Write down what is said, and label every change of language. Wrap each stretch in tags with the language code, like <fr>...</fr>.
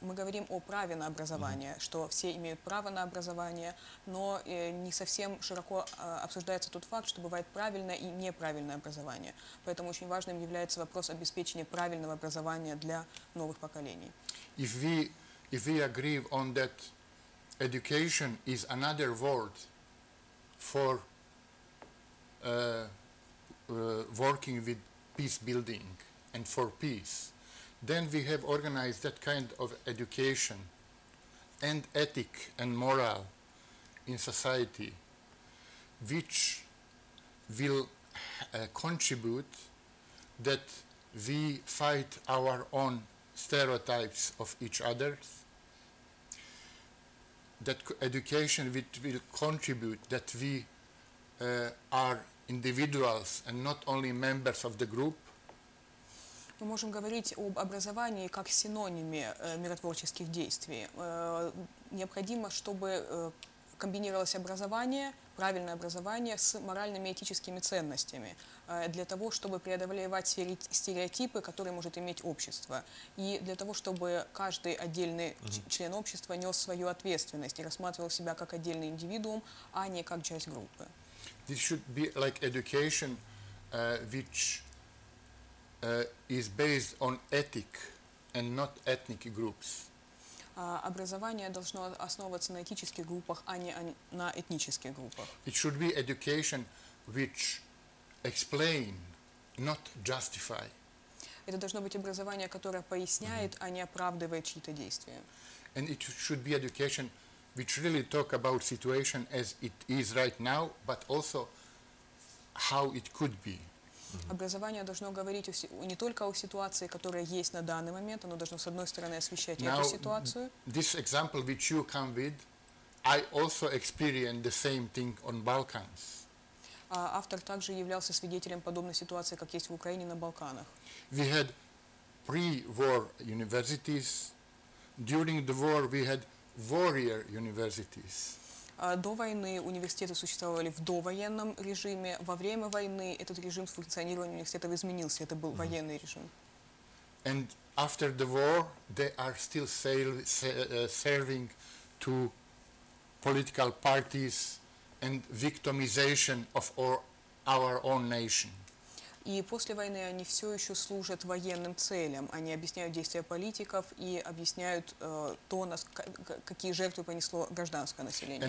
<ru>Мы говорим о праве на образование, mm-hmm. что все имеют право на образование, но не совсем широко обсуждается тот факт, что бывает правильное и неправильное образование. Поэтому очень важным является вопрос обеспечения правильного образования для новых поколений.</ru> <en>If we agree on that education is another word for working with peace building and for peace, then we have organized that kind of education and ethic and moral in society, which will contribute that we fight our own stereotypes of each other, that education which will contribute that we are individuals and not only members of the group.</en> <ru>Мы можем говорить об образовании как синониме миротворческих действий. Необходимо, чтобы комбинировалось образование, правильное образование с моральными и этическими ценностями для того, чтобы преодолевать стереотипы, которые может иметь общество. И для того, чтобы каждый отдельный член общества нес свою ответственность и рассматривал себя как отдельный индивидуум, а не как часть группы.</ru> <en>This should be like education, which is based on ethic and not ethnic groups.</en> <ru>Образование должно основываться на этических группах, а не на этнических группах.</ru> <en>It should be education which explain, not justify.</en> <ru>Это должно быть образование, которое поясняет, а не оправдывает чьи-то действия.</ru> <en>And it should be education which really talk about situation as it is right now, but also how it could be. Mm-hmm.</en> <ru>Образование должно говорить не только о ситуации, которая есть на данный момент, оно должно, с одной стороны, освещать</ru> <en>Now,</en> <ru>эту ситуацию.</ru> <en>This example which you come with, I also experienced the same thing on Balkans.</en> <ru>Автор также являлся свидетелем подобной ситуации, как есть в Украине, на Балканах.</ru> <en>We had pre-war universities. During the war we had warrior universities.</en> <ru>До войны университеты существовали в довоенном режиме. Во время войны этот режим функционирования университетов изменился. Это был mm-hmm. военный режим.</ru> <en>And after the war, they are still serving to political parties and victimization of our own nation.</en> <ru>и после войны они все еще служат военным целям. Они объясняют действия политиков и объясняют то, какие жертвы понесло гражданское население.</ru>